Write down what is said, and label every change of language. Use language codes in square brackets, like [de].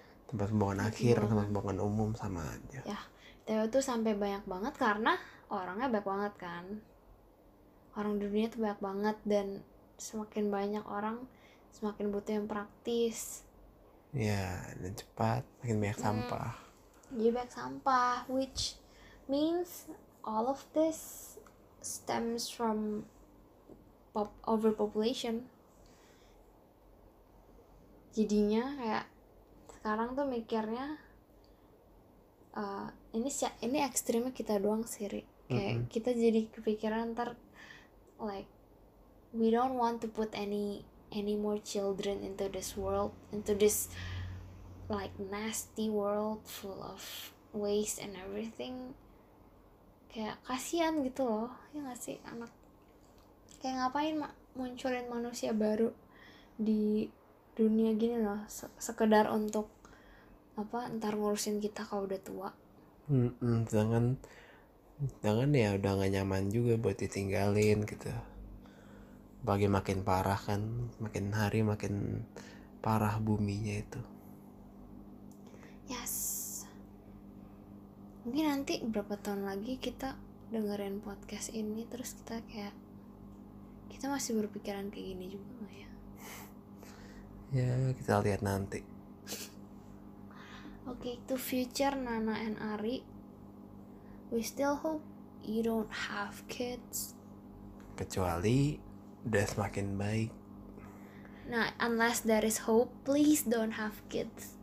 [id] Tempat pembuangan akhir, buang. tempat pembuangan umum, sama aja. Ya, TPU tuh sampai banyak banget karena orangnya banyak banget kan. Orang di dunia tuh banyak banget, dan semakin banyak orang semakin butuh yang praktis. Ya, dan cepat, makin banyak sampah. Jadi banyak sampah, [en] which means all of this stems from overpopulation. [id] Jadinya kayak sekarang tuh mikirnya ini ekstrimnya kita doang sih, Ri. Kayak kita jadi kepikiran ntar [en] like we don't want to put any more children into this world, into this like nasty world full of waste and everything. [id] Kayak kasihan gitu loh, ya gak sih, anak. Kayak ngapain munculin manusia baru di dunia gini loh, sekedar untuk apa, ntar ngurusin kita kalau udah tua. Jangan ya, udah gak nyaman juga buat ditinggalin gitu. Bagi makin parah kan, makin hari makin parah buminya itu. Yes. Mungkin nanti berapa tahun lagi kita dengerin podcast ini, terus kita kayak kita masih berpikiran kayak gini juga gak ya? Ya, kita lihat nanti. [en] Oke, to future Nana and Ari, we still hope you don't have kids. [id] Kecuali udah semakin baik. [en] Nah, unless there is hope, please don't have kids.